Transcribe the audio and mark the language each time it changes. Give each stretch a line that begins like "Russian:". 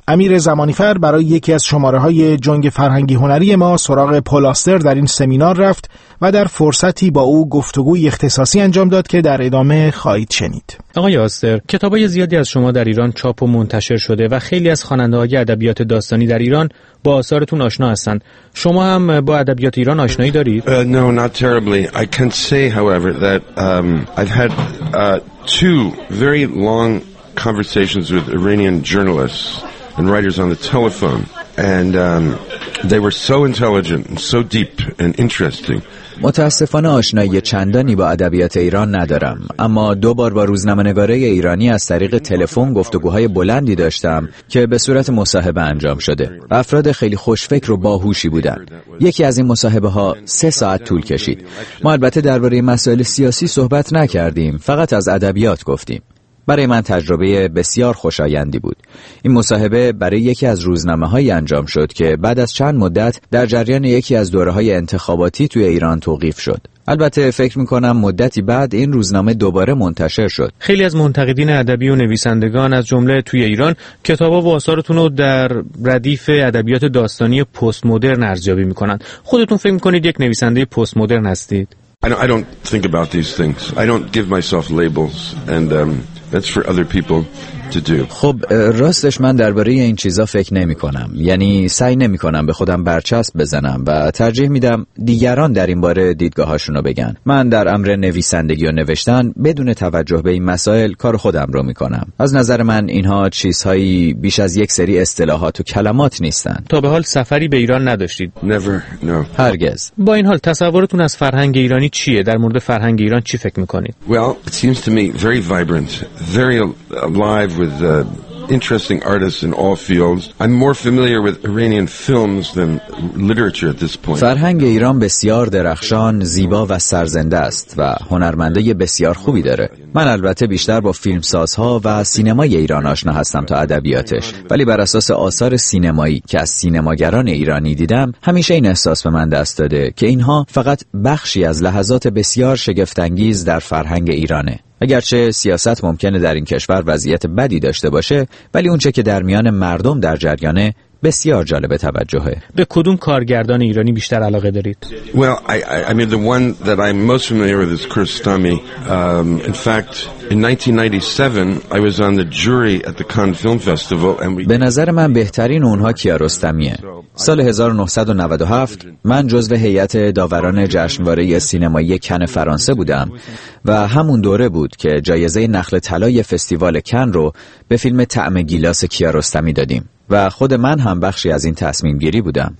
Persian: امیر زمانی‌فر برای یکی از شماره‌های جنگ فرهنگی هنری ما سراغ پولاستر در این سمینار رفت و در فرصتی با او گفتگوی اختصاصی انجام داد که در ادامه خواهید شنید. آقای آستر، کتاب‌های زیادی از شما در ایران چاپ و منتشر شده و خیلی از خواننده‌های ادبیات داستانی در ایران با آثارتون آشنا هستند. شما هم با ادبیات ایران آشنایی دارید؟
English: No, not terribly. I can say, however, that I've had two very long conversations with Iranian journalists and writers on the telephone. And they were so intelligent and so deep and interesting.
Persian: متاسفانه آشنایی چندانی با ادبیات ایران ندارم، اما دو بار با روزنامه‌نگارای ایرانی از طریق تلفن گفتگوهای بلندی داشتم که به صورت مصاحبه انجام شده. افراد خیلی خوشفکر و باهوشی بودند. یکی از این مصاحبه‌ها 3 ساعت طول کشید. ما البته درباره مسائل سیاسی صحبت نکردیم، فقط از ادبیات گفتیم. برای من تجربه بسیار خوشایندی بود. این مصاحبه برای یکی از روزنامه‌های انجام شد که بعد از چند مدت در جریان یکی از دوره‌های انتخاباتی توی ایران توقیف شد. البته فکر می‌کنم مدتی بعد این روزنامه دوباره منتشر شد. خیلی از منتقدین ادبی و نویسندگان از جمله توی ایران کتابا و آثارتون رو در ردیف ادبیات داستانی پست مدرن ارزیابی می‌کنند. خودتون فکر می‌کنید یک نویسنده پست مدرن هستید؟
English: I don't think about these things. I don't give myself labels and that's for other people to do.
Persian: خب راستش من درباره این چیزا فکر نمی‌کنم. یعنی سعی نمی‌کنم به خودم برچسب بزنم و ترجیح میدم دیگران در این باره دیدگاهاشونو بگن. من در امر نویسندگی و نوشتن بدون توجه به این مسائل کار خودم رو می‌کنم. از نظر من اینها چیزهایی بیش از یک سری اصطلاحات و کلمات نیستن. تا به حال سفری به ایران نداشتید؟
English: Never, no.
Persian: هرگز. با این حال تصورتون از فرهنگ ایرانی چیه؟ در مورد فرهنگ ایران چی فکر می‌کنید؟
English: Well, it seems to me very vibrant. Very alive with interesting artists in all fields. I'm more familiar with Iranian films than literature at this point.
Persian: فرهنگ ایران بسیار درخشان، زیبا و سرزنده است و هنرمندای بسیار خوبی داره. من البته بیشتر با فیلمسازها و سینمای ایران آشنا هستم تا ادبیاتش، ولی بر اساس آثار سینمایی که از سینماگران ایرانی دیدم همیشه این احساس به من دست داده که اینها فقط بخشی از لحظات بسیار شگفت‌انگیز در فرهنگ ایرانه. اگرچه سیاست ممکنه در این کشور وضعیت بدی داشته باشه، ولی اونچه که در میان مردم در جریانه بسیار جالب توجهه. به کدوم کارگردان ایرانی بیشتر علاقه دارید؟
English: Well, I mean the one that I'm most familiar with is Kiarostami. In fact, in 1997 I was on the jury at the Cannes Film Festival and
Persian: به نظر من بهترین اونها کیارستمیه. سال 1997 من جزو هیئت داوران جشنواره سینمایی کن فرانسه بودم و همون دوره بود که جایزه نخل طلای فستیوال کن رو به فیلم طعم گیلاس کیارستمی دادیم و خود من هم بخشی از این تصمیم گیری بودم.